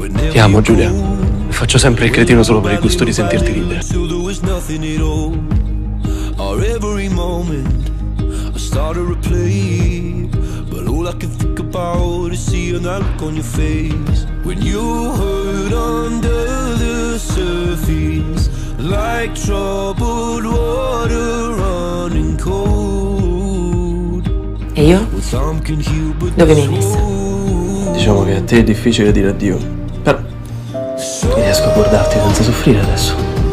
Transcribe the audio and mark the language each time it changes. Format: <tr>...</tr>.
<it>Ti amo, Giulia. Faccio sempre il cretino solo per il gusto di sentirti libera.</it> <en>Every moment I start a replay, but all I can think about is seeing that look on your face when you hurt under the surface, like troubled water running cold.</en> <it>E io? Dove mi hai messo? Diciamo che a te è difficile dire addio, però riesco a guardarti senza soffrire adesso.</it>